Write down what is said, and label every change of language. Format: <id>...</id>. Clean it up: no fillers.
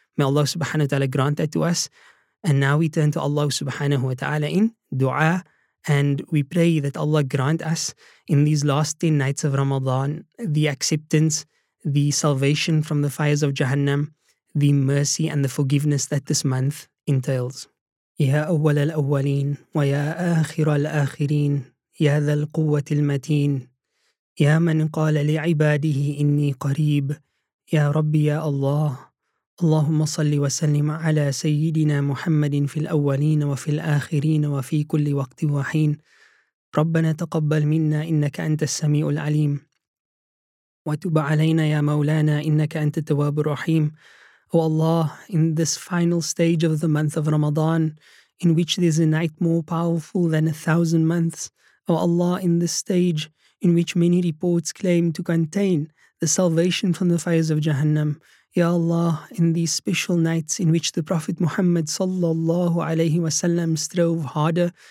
<en>May Allah subhanahu wa ta'ala grant that to us. And now we turn to Allah subhanahu wa ta'ala in dua. And we pray that Allah grant us in these last 10 nights of Ramadan the acceptance, the salvation from the fires of Jahannam, the mercy and the forgiveness that this month entails.</en> <ar>Ya awwal al-awwalin, wa ya akhir al-akhirin, ya dhal quwwati al-mateen, ya man qala li'ibadihi inni qareeb, ya Rabbi ya Allah, اللهم صل وسلم على سيدنا محمد في الأولين وفي الآخرين وفي كل وقت وحين ربنا تقبل منا إنك أنت السميع العليم وتب علينا يا مولانا إنك أنت التواب الرحيم.</ar> <en>Oh Allah, in this final stage of the month of Ramadan, in which there's a night more powerful than 1,000 months, Oh Allah, in this stage in which many reports claim to contain the salvation from the fires of Jahannam, Ya Allah, in these special nights in which the Prophet Muhammad</en> <ar>sallallahu alayhi wa sallam</ar> <en>strove harder</en>